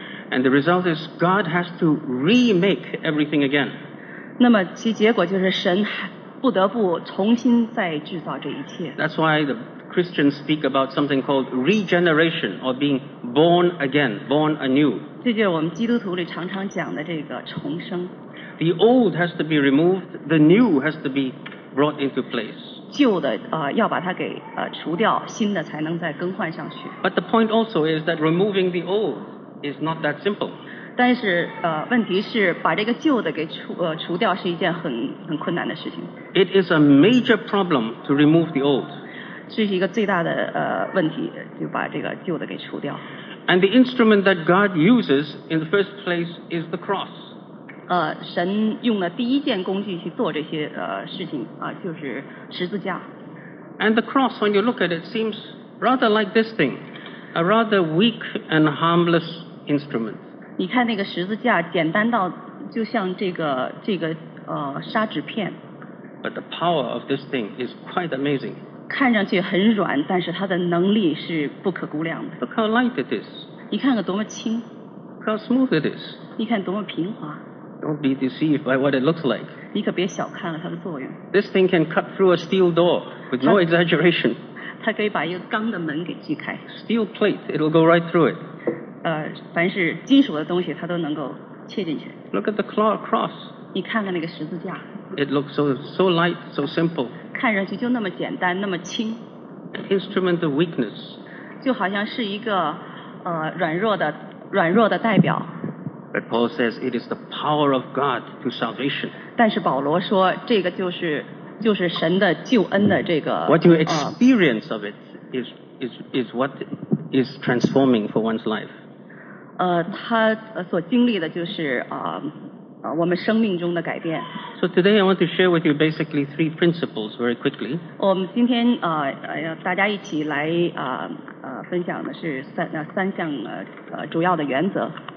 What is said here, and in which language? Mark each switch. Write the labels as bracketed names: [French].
[English] And the result is God has to remake everything again. [Chinese] 那么其结果就是神不得不重新再制造这一切。 [English] That's why the Christians speak about something called regeneration or being born again, born anew. [Chinese] 这就是我们基督徒里常常讲的这个重生。 [English] The old has to be removed, the new has to be brought into place. [Chinese] 旧的要把它给除掉，新的才能再更换上去。 [English] But the point also is that removing the old is not that simple. [Chinese] 但是问题是把这个旧的给 除掉是一件 很困难的事情。 [English] It is a major problem to remove the old. [Chinese] 这是一个最大的问题，就把这个旧的给除掉。 [English] And the instrument that God uses in the first place is the cross. [Chinese] 神用的第一件工具去做这些事情就是十字架。 [English] And the cross, when you look at it, seems rather like this thing, a rather weak and harmless instrument. [Chinese] 你看那个十字架简单到就像这个砂纸片。 [English] But the power of this thing is quite amazing. [Chinese] 看上去很软，但是它的能力是不可估量的。 [English] Look how light it is. [Chinese] 你看看多么轻。 [English] Look how smooth it is. [Chinese] 你看多么平滑。 [English] Don't be deceived by what it looks like. [Chinese] 你可别小看了它的作用。 [English] This thing can cut through a steel door with no exaggeration. [Chinese] 它可以把一个钢的门给锯开。 [English] Steel plate, it'll go right through it. [Chinese] 凡是金属的东西它都能够切进去。 [English] Look at the cross. [Chinese] 你看看那个十字架。 [English] It looks so light, so simple. [Chinese] 看上去就那么简单，那么轻。 [English] An instrument of weakness. [Chinese] 就好像是一个软弱的代表。 [English] But Paul says it is the power of God to salvation. [Chinese] 但是保罗说这个就是神的救恩的这个。 [English] What you experience of it is what is transforming for one's life. [Chinese] 他所经历的就是我们生命中的改变。 [English] So today I want to share with you basically three principles very quickly. [Chinese] 我们今天大家一起来分享的是三项主要的原则。